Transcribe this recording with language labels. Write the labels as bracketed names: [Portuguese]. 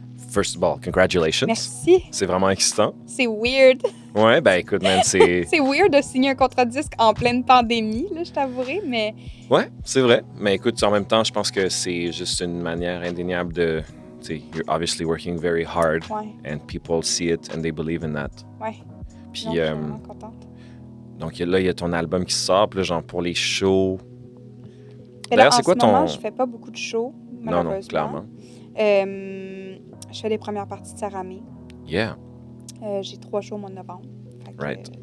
[English] First of all, congratulations. [French] Merci. C'est vraiment excitant. C'est weird. Ouais, ben écoute, man, c'est... c'est weird de signer un contrat de disque en pleine pandémie, là, je t'avouerai, mais... Ouais, c'est vrai. Mais écoute, en même temps, je pense que c'est juste une manière indéniable de... Tu sais, [English] you're obviously working very hard. [French] Ouais. [English] And people see it and they believe in that. [French] Ouais. Puis, je suis vraiment contente. Donc là, il y a ton album qui sort, puis là, genre, pour les shows... Là, d'ailleurs, c'est quoi ton... En ce moment, je fais pas beaucoup de shows, malheureusement. Non, clairement. Je fais les premières parties de Saramé. [English] Yeah. [French] J'ai 3 shows au mois de novembre. [English] Right.